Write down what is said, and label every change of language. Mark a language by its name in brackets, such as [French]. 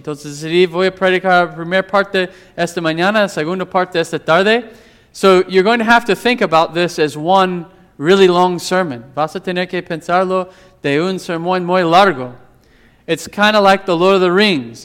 [Spanish] Entonces decidí, voy a predicar la primera parte esta mañana, la segunda parte esta tarde. [English] So you're going to have to think about this as one really long sermon. [Spanish] Vas a tener que pensarlo de un sermón muy largo. [English] It's kind of like the Lord of the Rings.